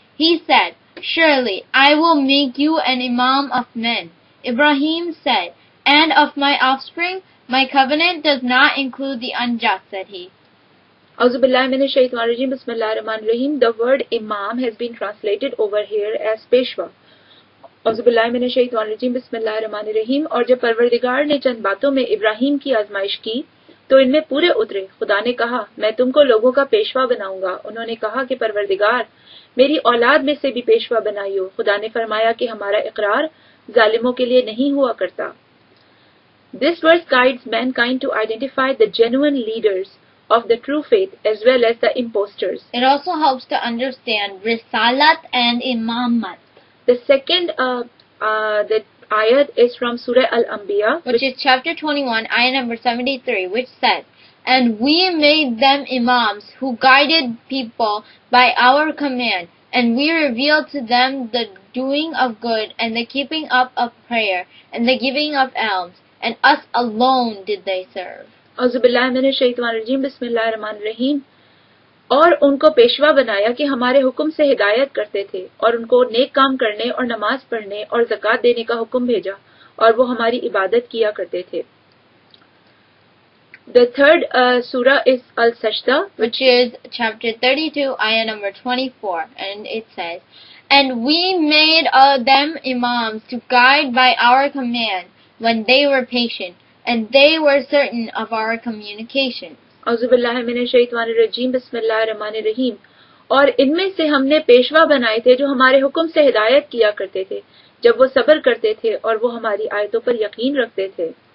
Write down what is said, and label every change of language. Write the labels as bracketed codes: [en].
[en] He said, 'Surely I will make you an Imam of men.' Ibrahim said, 'And of my offspring, my covenant does not include the unjust,' said he." The word Imam has been translated over here as Peshwa. [ur] اور جب پروردگار نے چند باتوں میں ابراہیم کی آزمائش کی تو ان میں پورے اترے. خدا نے کہا, میں تم کو لوگوں کا پیشوا بناؤں گا. انہوں نے کہا کہ پروردگار, میری اولاد میں سے بھی پیشوا بنائیو. خدا نے فرمایا کہ ہمارا اقرار ظالموں کے لیے نہیں ہوا کرتا. [en] This verse guides mankind to identify the genuine leaders of the true faith as well as the imposters. It also helps to understand risalat and imamat. The second ayat is from Surah Al-Anbiya, which is chapter 21, ayah number 73, which says, "And we made them imams who guided people by our command, and we revealed to them the doing of good and the keeping up of prayer and the giving of alms, and us alone did they serve." [ur] اور ان کو پیشوا بنایا کہ ہمارے حکم سے ہدایت کرتے تھے, اور ان کو نیک کام کرنے اور نماز پڑھنے اور زکوۃ دینے کا حکم بھیجا, اور وہ ہماری عبادت کیا کرتے تھے. [en] The third surah is Al-Sajdah, which is chapter 32, ayah number 24, and it says, "And we made of them imams to guide by our command when they were patient, and they were certain of our communication." [ur] اور ان میں سے ہم نے پیشوا بنائے تھے جو ہمارے حکم سے ہدایت کیا کرتے تھے جب وہ صبر کرتے تھے اور وہ ہماری آیتوں پر یقین رکھتے تھے.